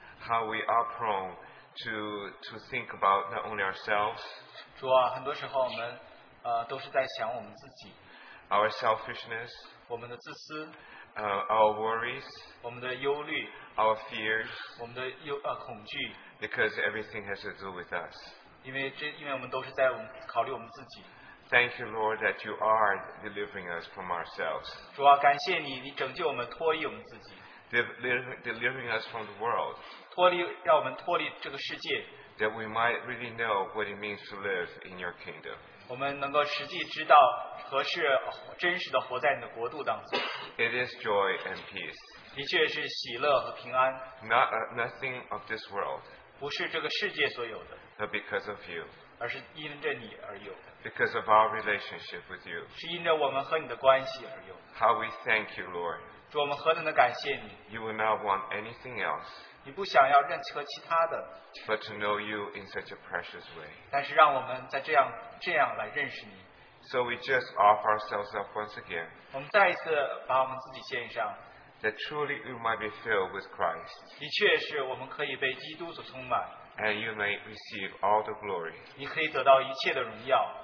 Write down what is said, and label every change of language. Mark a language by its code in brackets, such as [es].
[en] How we are prone to think about not only ourselves. [zh] 主啊，很多时候我们都是在想我们自己。 [en] Our selfishness. [zh] 我们的自私。 [en] Our worries. [zh] 我们的忧虑。 [en] Our fears. [zh] 我们的恐惧。 [en] Because everything has to do with us. [zh] 因为我们都是在考虑我们自己。 [en] Thank you, Lord, that you are delivering us from ourselves. [zh] 主啊，感谢你，你拯救我们，脱离我们自己。 [en] delivering us from the world. [zh] 脱离这个世界, [en] that we might really know what it means to live in your kingdom. [zh] 我们能够实际知道何是真实地活在你的国度当中。 [en] It is joy and peace. [zh] 的确是喜乐和平安。 [en] Nothing of this world. [zh] 不是这个世界所有的。 [en] But because of you. [zh] 而是因着你而有的。 [en] Because of our relationship with you. [zh] 是因着我们和你的关系而有的。 [en] How we thank you, Lord. [zh] 主我们何等地感谢你。 [en] You will not want anything else. [zh] 你不想要任何其他的, [en] but to know you in such a precious way. [zh] 但是让我们再这样来认识你。 [en] So we just offer ourselves up once again. [zh] 我们再一次把我们自己献上。 [en] That truly you might be filled with Christ. [zh] 的确是我们可以被基督所充满。 [en] And you may receive all the glory. [zh] 你可以得到一切的荣耀。